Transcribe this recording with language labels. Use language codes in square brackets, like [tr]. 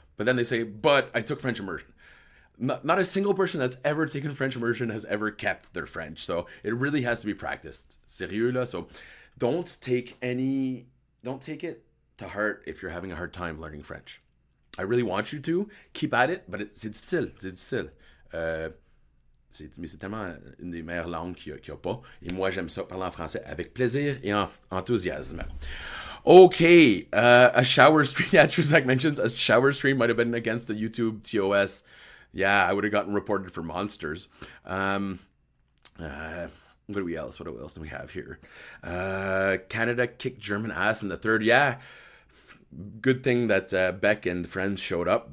[en] But then they say, but I took French immersion. Not a single person that's ever taken French immersion has ever kept their French. So it really has to be practiced. [fr] Sérieux, là. [en] So don't take it to heart if you're having a hard time learning French. I really want you to keep at it, but it's difficile. [fr] C'est difficile. C'est tellement une des meilleures langues qu'il n'y a pas. Et moi, j'aime ça parler en français avec plaisir et enthousiasme. [en] Okay, a shower stream. Yeah, Truzak mentions a shower stream might have been against the YouTube TOS. Yeah, I would have gotten reported for monsters. What else do we have here? Canada kicked German ass in the third. Yeah, good thing that Beck and friends showed up.